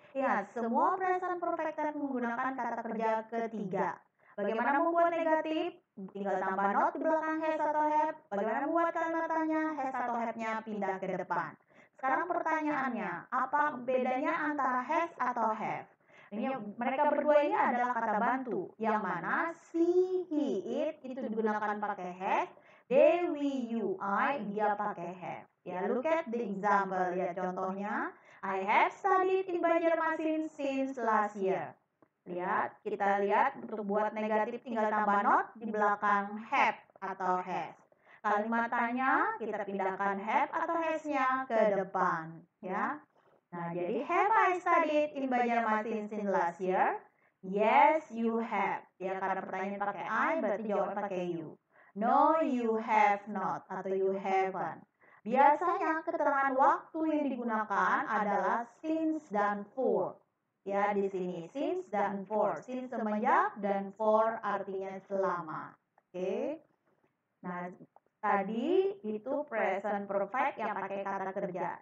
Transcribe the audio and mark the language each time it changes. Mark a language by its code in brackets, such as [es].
[id] Ya, semua present perfect tense menggunakan kata kerja ketiga. Bagaimana membuat negatif? Tinggal tambah not di belakang has atau have. Bagaimana membuat kalimat tanya? Has atau have-nya pindah ke depan. Sekarang pertanyaannya, apa bedanya antara has atau have? Ini mereka berdua ini adalah kata bantu. Yang mana she, he, it itu digunakan pakai has. They, we, you, I dia pakai have. Ya, [en] look at the example. [id] Ya, contohnya, [en] I have studied in Banjarmasin since last year. [id] Lihat, kita lihat untuk buat negatif tinggal tambah not di belakang have atau has. Kalimat tanya kita pindahkan have atau has-nya ke depan, ya. Nah, jadi [en] have I studied in Banjarmasin since last year? Yes, you have. [id] Ya, karena pertanyaan pakai I berarti jawab pakai you. [en] No, you have not atau you haven't. [id] Biasanya keterangan waktu yang digunakan adalah since dan for. Ya, di sini since dan for. Since semenjak dan for artinya selama. Oke. Okay. Nah, tadi itu present perfect yang pakai kata kerja.